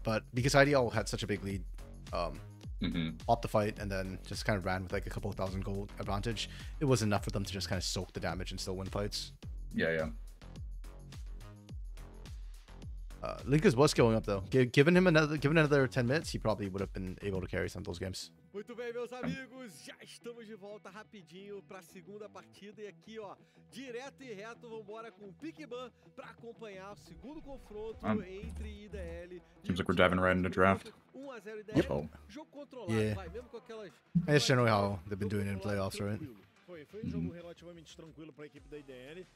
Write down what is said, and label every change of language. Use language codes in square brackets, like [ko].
[en] But because IDL had such a big lead, popped the fight and then just kind of ran with like a couple of thousand gold advantage, it was enough for them to just kind of soak the damage and still win fights. Yeah, yeah. Linkas was going up, though. Given him another 10 minutes, he probably would have been able to carry some of those games. [pt] Muito bem, meus amigos, já estamos de volta rapidinho para a segunda partida. E aqui, ó, direto e reto, vamos embora com o Pikban para acompanhar o segundo confronto entre IDL. [en] Seems like we're diving right into draft. 1-0 IDL. Yep. Oh. [pt] Jogo controlado, yeah. Vai, mesmo com aquelas... [en] That's generally how they've been doing it in playoffs, right? [pt] Foi um jogo relativamente tranquilo para a equipe da IDL.